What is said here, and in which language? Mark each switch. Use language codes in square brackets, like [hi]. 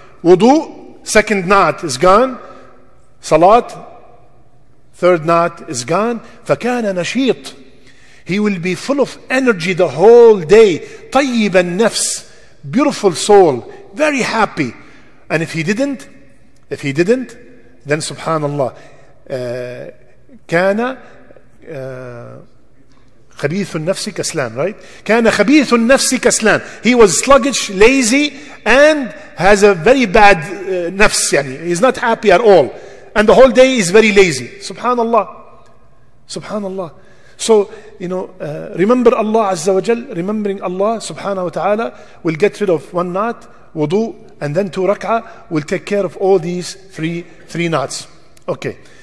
[en] Wudu, second knot is gone. Salat, third knot is gone. [ar] فكان نشيط. [en] He will be full of energy the whole day. [ar] طيب النفس. [en] Beautiful soul. Very happy. And if he didn't, then subhanallah. [ar] كان خبيث النفس كسلان, right? كان خبيث النفس كسلان. [en] He was sluggish, lazy, and has a very bad نفس. يعني. He's not happy at all. And the whole day is very lazy. Subhanallah. Subhanallah. So, you know, remember Allah Azza wa Jal, remembering Allah Subhanahu wa Ta'ala will get rid of one knot, wudu, and then 2 rak'ah will take care of all these three knots. Okay.